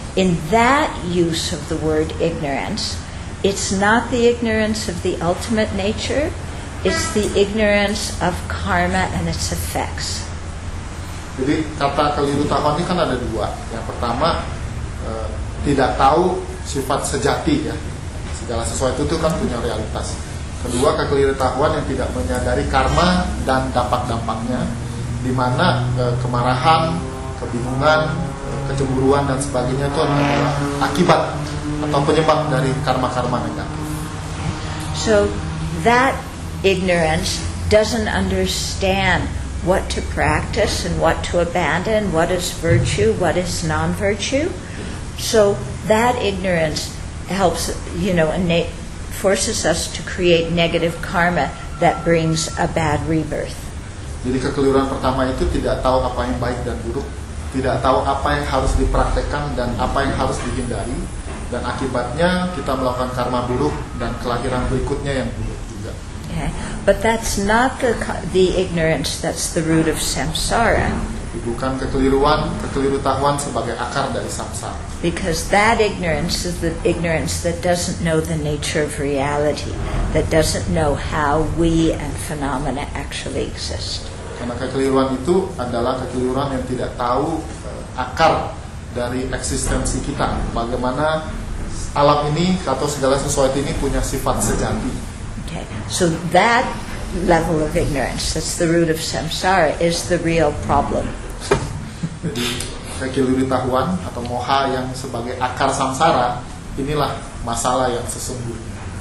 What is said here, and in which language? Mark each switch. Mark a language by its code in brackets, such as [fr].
[en] In that use of the word ignorance, it's not the ignorance of the ultimate nature, it's the ignorance of karma and its effects. [id] Jadi kata keliru tahuan ini kan ada dua. Yang pertama, tidak tahu sifat sejati ya. Segala sesuatu itu kan punya realitas. Kedua, kekeliruan yang tidak menyadari karma dan dampak-dampaknya, di mana kemarahan, kebingungan, kecemburuan dan sebagainya itu adalah akibat atau penyebab dari karma-karma negatif. [en] So that ignorance doesn't understand what to practice and what to abandon, what is virtue, what is non-virtue. So that ignorance helps, you know, innate forces us to create negative karma that brings a bad rebirth. [id] Jadi kekeliruan pertama itu tidak tahu apa yang baik dan buruk, tidak tahu apa yang harus dipraktekkan dan apa yang harus dihindari, dan akibatnya kita melakukan karma buruk dan kelahiran berikutnya yang buruk juga. [en] Okay. But that's not the ignorance that's the root of samsara. [id] Bukan kekeliru tahuan sebagai akar dari samsara. [en] Because that ignorance is the ignorance that doesn't know the nature of reality, that doesn't know how we and phenomena actually exist. [id] Karena kekeliruan itu adalah kekeliruan yang tidak tahu akar dari eksistensi kita, bagaimana alam ini atau segala sesuatu ini punya sifat sejati. [en] Okay, so that level of ignorance, that's the root of samsara, is the real problem. [id] Jadi kekeliruan atau moha yang sebagai akar samsara, inilah masalah yang sesungguhnya.